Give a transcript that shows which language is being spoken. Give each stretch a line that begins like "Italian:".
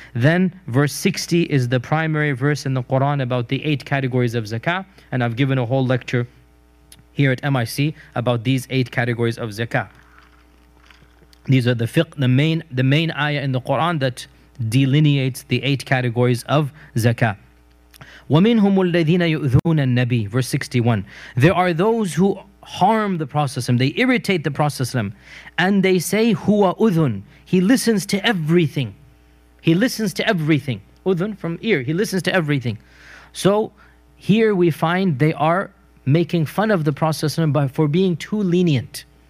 English: Then verse 60 is the primary verse in the Quran about the 8 categories of zakah. And I've given a whole lecture here at MIC about these 8 categories of zakah. These are the fiqh, the main ayah in the Quran that delineates the 8 categories of zakah.
Arabic: ومنهم الذين يؤذون النبي,
English: verse 61. There are those who harm the Prophet, they irritate the Prophet, and they say, huwa udhun, he listens to everything. He listens to everything. Udhun from ear, he listens to everything. So here we find they are making fun of the Prophet for being too lenient.